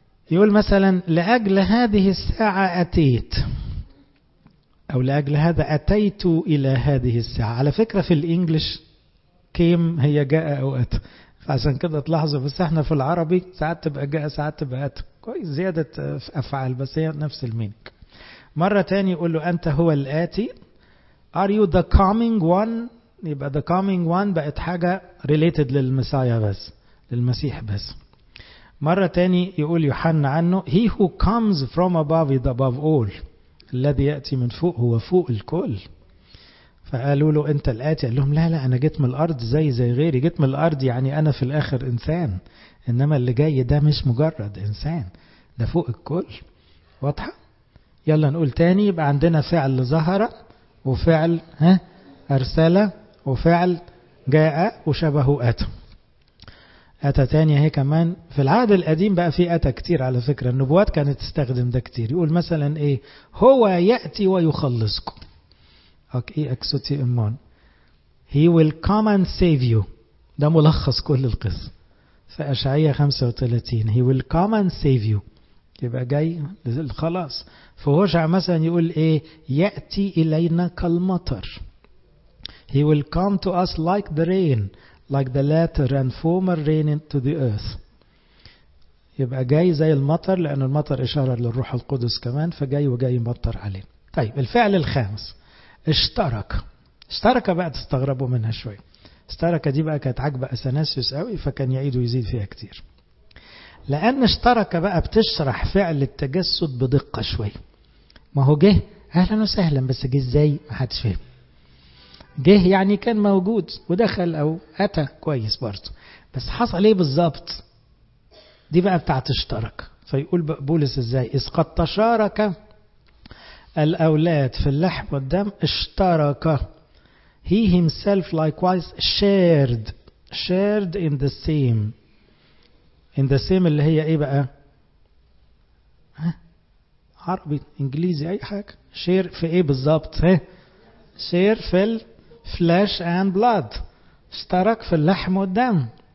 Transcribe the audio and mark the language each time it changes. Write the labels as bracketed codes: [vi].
[ar] يقول مثلا لأجل هذه الساعة أتيت، أو لأجل هذا أتيت إلى هذه الساعة. على فكرة في الإنجليش كيم هي جاء أو أتى، فعشان كده تلاحظوا، بس احنا في العربي ساعات تبقى جاء ساعات تبقى أتى، كويس زيادة أفعال بس هي نفس المينك. مرة تاني يقول له أنت هو الآتي. [en] Are you the coming one؟ يبقى the coming one بقت حاجة related [ar] للمسيح بس، للمسيح بس. مرة تاني يقول يوحنا عنه [en] he who comes from above is above all، [ar] الذي يأتي من فوق هو فوق الكل. فقالوا له أنت الآتي، قال لهم لا لا أنا جيت من الأرض زي غيري، جيت من الأرض يعني أنا في الآخر إنسان، إنما اللي جاي ده مش مجرد إنسان، ده فوق الكل. واضحة؟ يلا نقول تاني، يبقى عندنا فعل ظهر وفعل ها أرسل وفعل جاء وشبه أتى. أتى تانية هي كمان في العهد القديم بقى في أتى كتير على فكرة، النبوات كانت تستخدم ده كتير. يقول مثلا إيه هو يأتي ويخلصكم. أوكي أكسوتي إمان. [en] He will come and save you. [ar] ده ملخص كل القصة. في إشعياء [en] 35 He will come and save you. [ar] يبقى جاي خلاص. فهوشع مثلا يقول ايه يأتي إلينا كالمطر. [en] He will come to us like the rain, like the latter and former rain into the earth. [ar] يبقى جاي زي المطر، لأن المطر إشارة للروح القدس كمان، فجاي وجاي مطر عليه. طيب الفعل الخامس اشترك. اشترك بقى تستغربوا منها شوي. اشترك دي بقى كانت عجبة أثناسيوس قوي، فكان يعيد ويزيد فيها كتير، لأن اشترك بقى بتشرح فعل التجسد بدقة شوي. ما هو جه أهلا وسهلا، بس جه ازاي؟ ما حدش فهم. جه يعني كان موجود ودخل أو أتى، كويس برضو، بس حصل ايه بالظبط؟ دي بقى بتاعت اشترك. فيقول بولس ازاي، إذ قد تشارك الأولاد في اللحم والدم اشترك. [en] He himself likewise shared. Shared in the same. In the same [ar] اللي هي ايه بقى؟ ها؟ عربي انجليزي اي حاجة. share في ايه بالضبط؟ ها؟ share في [en] flesh and blood. [ar] اشترك في اللحم والدم.